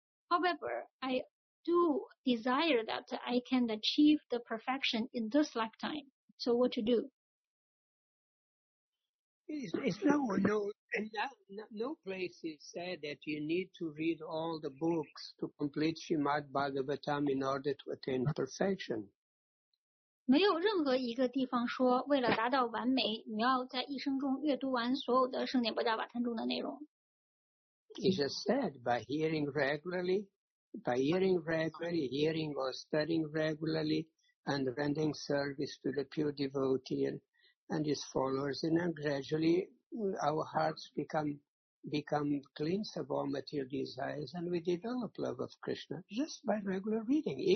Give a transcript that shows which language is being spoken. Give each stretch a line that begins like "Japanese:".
English: However, I do desire that I can achieve the perfection in this lifetime. So what to do? No place is said that you need to read all the books to complete Srimad Bhagavatam in order to attain perfection.
Chinese: 没有任何一个地方说为了达到完美，你要在一生中阅读完所有的圣典宝教瓦坛中的内容。
English: It's just said by hearing regularly, hearing or studying regularly, and rendering service to the pure devotee and his followers, and then gradually our hearts become cleansed of all material desires, and we develop love of Krishna just by regular reading.